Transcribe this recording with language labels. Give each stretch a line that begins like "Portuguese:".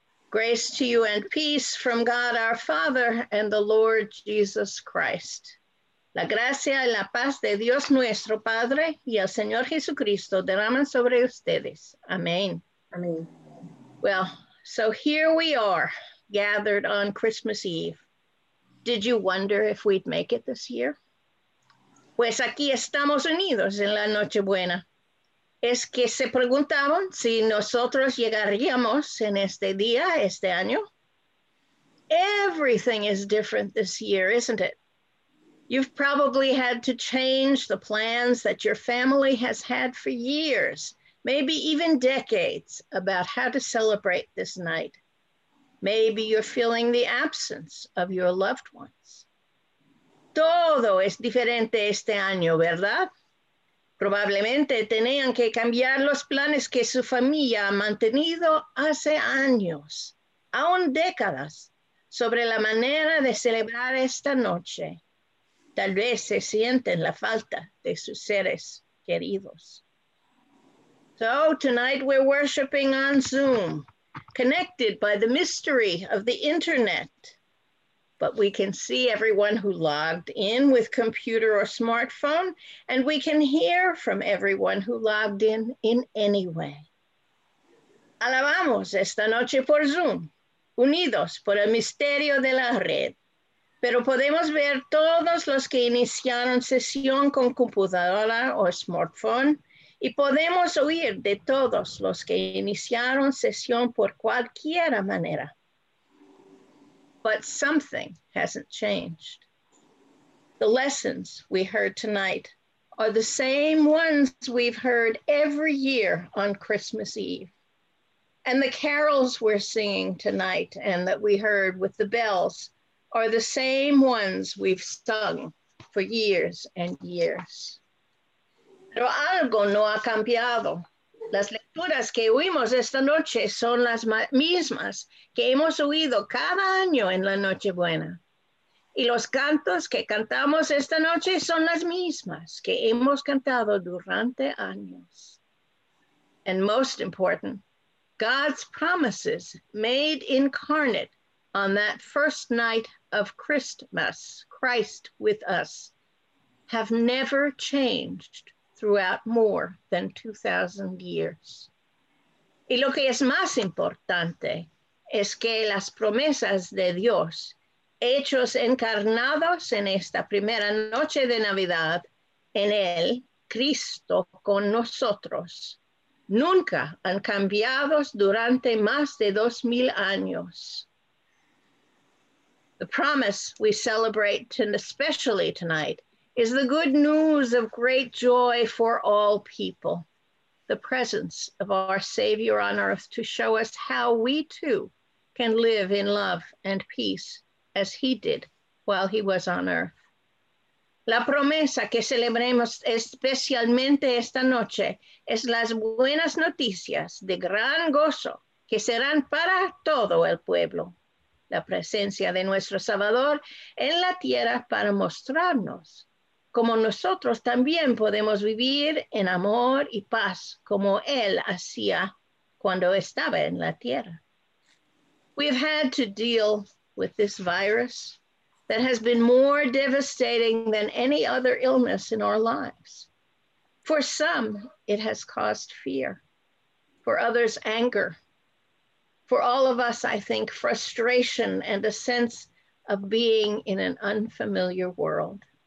English: Grace to you and peace from God our Father and the Lord Jesus Christ.
Spanish: La gracia y la paz de Dios nuestro Padre y el Señor Jesucristo derraman sobre ustedes. Amén. Amén.
English: Well, so here we are, gathered on Christmas Eve. Did you wonder if we'd make it this year?
Spanish: Pues aquí estamos unidos en la Nochebuena. ¿Es que se preguntaban si nosotros llegaríamos en este día, este año?
English: Everything is different this year, isn't it? You've probably had to change the plans that your family has had for years, maybe even decades, about how to celebrate this night. Maybe you're feeling the absence of your loved ones.
Spanish: Todo es diferente este año, ¿verdad? Probablemente tenían que cambiar los planes que su familia ha mantenido hace años, aún décadas, sobre la manera de celebrar esta noche. Tal vez se sienten la falta de sus seres queridos.
English: So tonight we're worshiping on Zoom, connected by the mystery of the internet. But we can see everyone who logged in with computer or smartphone, and we can hear from everyone who logged in any way.
Spanish: Alabamos esta noche por Zoom, unidos por el misterio de la red. Pero podemos ver todos los que iniciaron sesión con computadora o smartphone y podemos oír de todos los que iniciaron sesión por cualquiera manera.
English: But something hasn't changed. The lessons we heard tonight are the same ones we've heard every year on Christmas Eve. And the carols we're singing tonight and that we heard with the bells are the same ones we've sung for years and years.
Spanish: Pero algo no ha cambiado. Las lecturas que oímos esta noche son las mismas que hemos oído cada año en la Nochebuena. Y los cantos que cantamos esta noche son las mismas que hemos cantado durante años.
English: And most important, God's promises made incarnate on that first night of Christmas, Christ with us, have never changed throughout more than 2,000 years.
Spanish: Y lo que es más importante es que las promesas de Dios, hechos encarnados en esta primera noche de Navidad, en Él, Cristo con nosotros, nunca han cambiado durante más de 2,000 años.
English: The promise we celebrate especially tonight is the good news of great joy for all people, the presence of our Savior on earth to show us how we too can live in love and peace as he did while he was on earth.
Spanish: La promesa que celebremos especialmente esta noche es las buenas noticias de gran gozo que serán para todo el pueblo. La presencia de nuestro Salvador en la tierra para mostrarnos cómo nosotros también podemos vivir en amor y paz como Él hacía cuando estaba en la tierra.
English: We've had to deal with this virus that has been more devastating than any other illness in our lives. For some, it has caused fear. For others, anger. For all of us, I think, frustration and a sense of being in an unfamiliar world.